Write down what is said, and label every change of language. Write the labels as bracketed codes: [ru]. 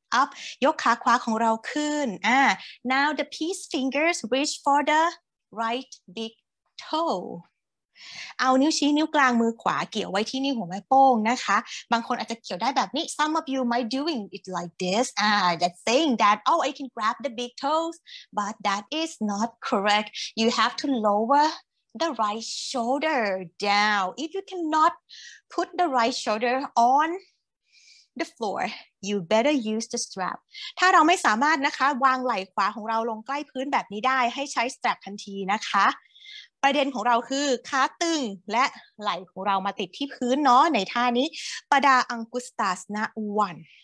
[en] up [th] ยกขาขวาของเราขึ้น [en] Now the peace fingers reach for the right big toe [th] เอานิ้วชี้นิ้วกลางมือขวาเกี่ยวไว้ที่นิ้วหัวแม่โป้งนะคะบางคนอาจจะเกี่ยวได้แบบนี้ [en] Some of you might doing it like this that saying that oh I can grab the big toes but that is not correct you have to lowerThe right shoulder down. If you cannot put the right shoulder on the floor, you better use the strap. [th] ถ้าเราไม่สามารถนะคะวางไหล่ขวาของเราลงใกล้พื้นแบบนี้ได้ให้ใช้สตรัปทันทีนะคะประเด็นของเราคือขาตึงและไหล่ของเรามาติดที่พื้นเนาะในท่านี้ปดาอังกุสตาสนะวัน